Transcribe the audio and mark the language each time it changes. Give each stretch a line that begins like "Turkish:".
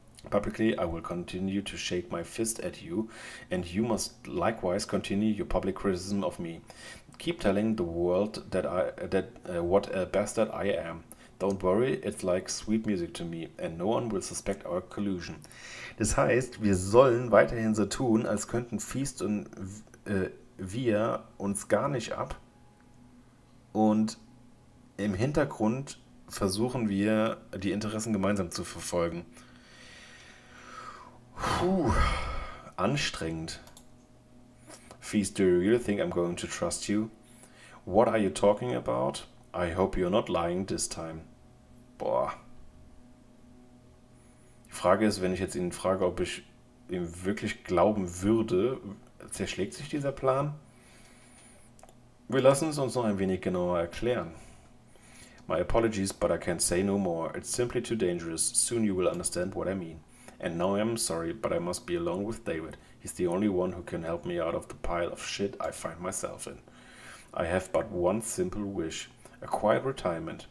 English: Publicly, I will continue to shake my fist at you, and you must likewise continue your public criticism of me. Keep telling the world what a bastard I am. Don't worry, it's like sweet music to me, and no one will suspect our collusion.
German: Das heißt, wir sollen weiterhin so tun, als könnten Feast und wir uns gar nicht ab. Und im Hintergrund versuchen wir, die Interessen gemeinsam zu verfolgen. Puh, anstrengend.
English: Feast, do you really think I'm going to trust you? What are you talking about? I hope you're not lying this time. Boah.
German: Frage ist, wenn ich jetzt ihn frage, ob ich ihm wirklich glauben würde, zerschlägt sich dieser Plan? Wir lassen es uns noch ein wenig genauer erklären.
English: My apologies, but I can't say no more. It's simply too dangerous. Soon you will understand what I mean. And now I'm sorry, but I must be alone with David. He's the only one who can help me out of the pile of shit I find myself in. I have but one simple wish. A quiet retirement.